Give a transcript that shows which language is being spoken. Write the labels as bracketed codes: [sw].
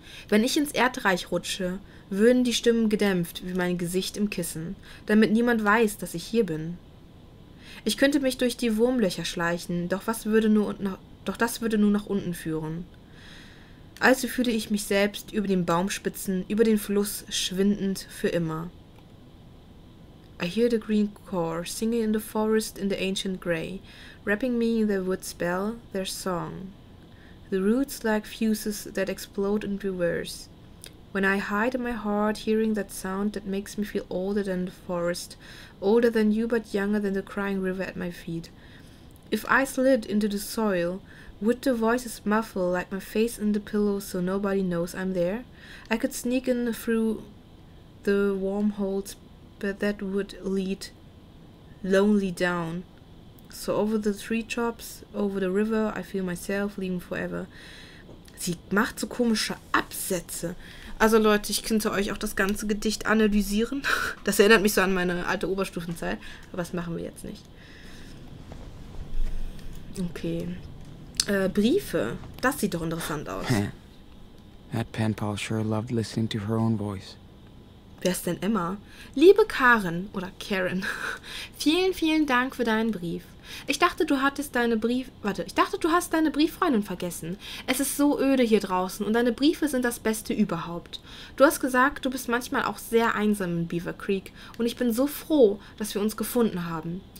[de] Wenn ich ins Erdreich rutsche, würden die Stimmen gedämpft wie mein Gesicht im Kissen, damit niemand weiß, dass ich hier bin. Ich könnte mich durch die Wurmlöcher schleichen, doch das würde nur nach unten führen. Also fühle ich mich selbst über den Baumspitzen, über den Fluss, schwindend für immer. [en] I hear the green core singing in the forest in the ancient grey, wrapping me in the wood spell, their song. The roots like fuses that explode in reverse. When I hide in my heart hearing that sound that makes me feel older than the forest, older than you but younger than the crying river at my feet. If I slid into the soil, would the voices muffle like my face in the pillow so nobody knows I'm there? I could sneak in through the wormholes, but that would lead lonely down So over the treetops, over the river, I feel myself leaving forever. [de] Sie macht so komische Absätze. Also Leute, ich könnte euch auch das ganze Gedicht analysieren. Das erinnert mich so an meine alte Oberstufenzeit. Aber das machen wir jetzt nicht. Okay. Briefe. Das sieht doch interessant aus. [en] That pen pal sure loved listening to her own voice. [de] Wer ist denn Emma? Liebe Karen, oder Karen, vielen, vielen Dank für deinen Brief. Ich dachte, du hast deine Brieffreundin vergessen. Es ist so öde hier draußen und deine Briefe sind das Beste überhaupt. Du hast gesagt, du bist manchmal auch sehr einsam in Beaver Creek und ich bin so froh, dass wir uns gefunden haben.